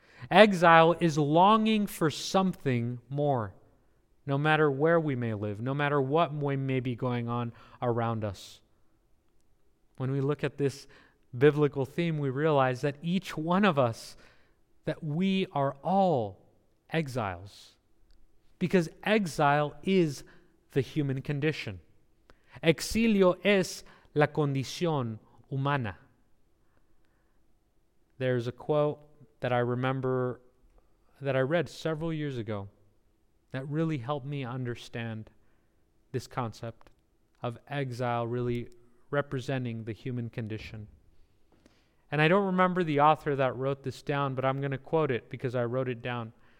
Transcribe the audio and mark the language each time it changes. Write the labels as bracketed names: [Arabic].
[English] Exile is longing for something more, no matter where we may live, no matter what may be going on around us. When we look at this biblical theme, we realize that each one of us, that we are all exiles. Because exile is the human condition. [Spanish] Exilio es la condición humana. [English] There's a quote that I remember that I read several years ago that really helped me understand this concept of exile really representing the human condition. And I don't remember the author that wrote this down, but I'm going to quote it because I wrote it down.